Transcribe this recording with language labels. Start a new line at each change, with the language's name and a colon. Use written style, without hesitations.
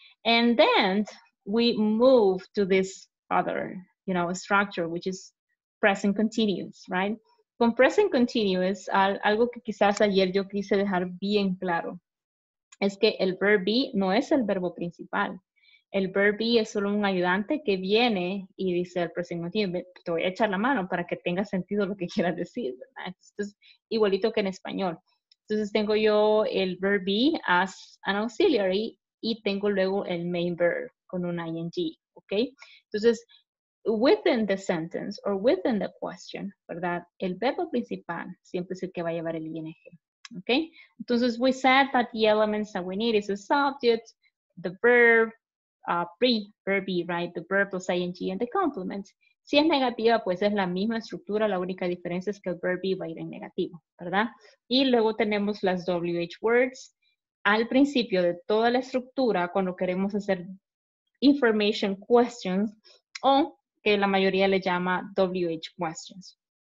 English: And then we move to this other, you know, structure, which is present continuous, right?
Spanish: Con present continuous, algo que quizás ayer yo quise dejar bien claro, es que el verb be no es el verbo principal. El verb be es solo un ayudante que viene y dice al present continuous, te voy a echar la mano para que tenga sentido lo que quieras decir, ¿verdad? Entonces, igualito que en español. Entonces, tengo yo el verb be
English: as an auxiliary
Spanish: y tengo luego el
English: main verb
Spanish: con un ing, ¿ok? Entonces,
English: within the sentence or within the question,
Spanish: ¿verdad? El verbo principal siempre es el que va a llevar el ing, ¿ok? Entonces,
English: we said that the elements that we need is the subject, the verb, pre-verb, right? The verb plus ing and the complement.
Spanish: Si es negativa, pues es la misma estructura. La única diferencia es que el verb va a ir en negativo, ¿verdad? Y luego tenemos las WH words. Al principio de toda la estructura, cuando queremos hacer information questions, o que la mayoría le llama WH questions.